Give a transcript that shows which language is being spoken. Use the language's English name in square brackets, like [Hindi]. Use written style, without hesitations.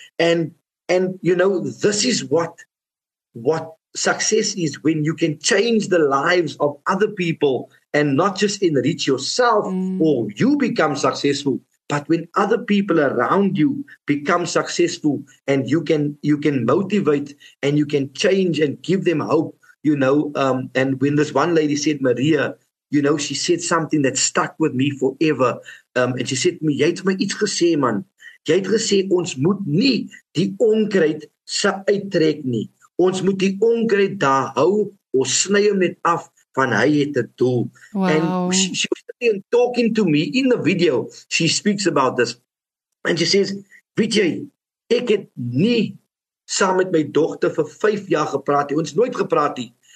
[English] And you know, this is what success is, when you can change the lives of other people and not just enrich yourself or you become successful, but when other people around you become successful and you can motivate and you can change and give them hope, you know. And when this one lady said, Maria, you know, she said something that stuck with me forever. And she said to me, [Afrikaans] jy het my iets gesê, man. Jy het gesê, ons moet nie die onkruid se uittrek nie. Ons moet die onkruid daar hou, ons sny hom net af, van hy het 'n doel. [English] Wow. And she was talking to me in the video. She speaks about this. And she says, [Afrikaans] weet jy, ek het nie saam met my dogter vir 5 jaar gepraat nie. Ons nooit gepraat nie.